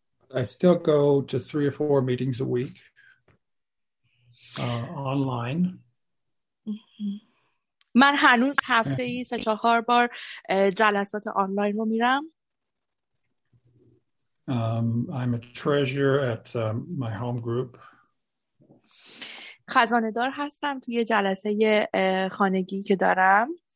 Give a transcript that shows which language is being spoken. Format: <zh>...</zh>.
<en>I still go to 3 or 4 meetings a week online.</en> <fa>من هنوز هفته ای 3-4 بار جلسات آنلاین رو میرم.</fa> <en>I'm a treasurer at my home group.</en> <fa>خزانه‌دار هستم توی جلسه خانگی که دارم.</fa>